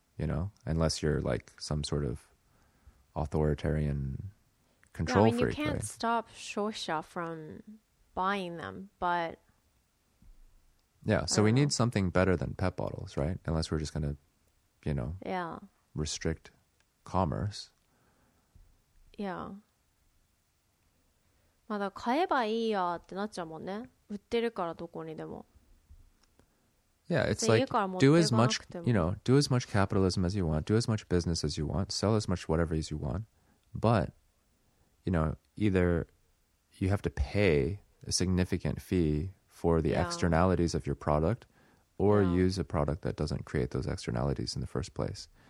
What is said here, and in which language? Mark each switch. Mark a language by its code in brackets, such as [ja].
[en] You know, unless you're like some sort of authoritarian control freak. I mean, you can't stop shosha from buying them, but... Yeah, so we need something better than pet bottles, right? Unless we're just going to, you know, restrict commerce. Yeah. [ja] まだ買えばいいやってなっちゃうもんね。売ってるからどこにでも。 [en] Yeah, it's like, do as much, you know, do as much capitalism as you want, do as much business as you want, sell as much whatever as you want, but, you know, either you have to pay a significant fee for the externalities of your product, or use a product that doesn't create those externalities in the first place.